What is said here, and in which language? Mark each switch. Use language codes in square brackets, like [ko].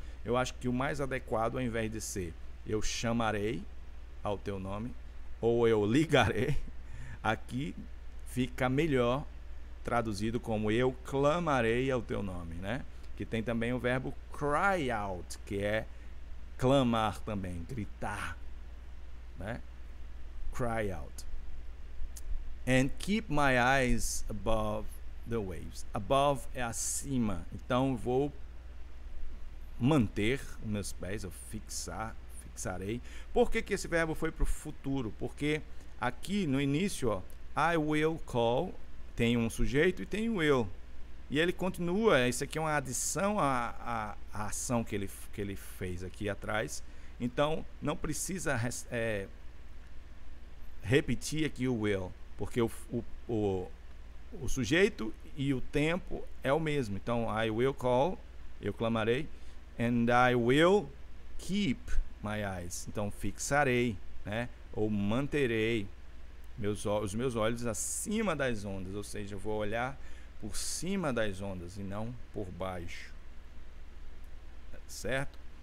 [pt] Eu acho que o mais adequado, ao invés de ser eu chamarei ao teu nome, ou eu ligarei, aqui fica melhor traduzido como eu clamarei ao teu nome, né? Que tem também o verbo cry out, que é clamar também, gritar, né? [en] cry out and keep my eyes above the waves. [pt] Above é acima. Então vou manter meus pés, ou fixar, fixarei. Por que que esse verbo foi para o futuro? Porque aqui no início, ó, [en] I will call, [pt] tem um sujeito e tem o will. E ele continua, isso aqui é uma adição à ação que ele fez aqui atrás. Então, não precisa repetir aqui o will, porque o sujeito e o tempo é o mesmo. Então, [en] I will call, [pt] eu clamarei, [en] and I will keep my eyes. [pt] Então, fixarei, né? Ou manterei os meus olhos acima das ondas, ou seja, eu vou olhar por cima das ondas e não por baixo, certo?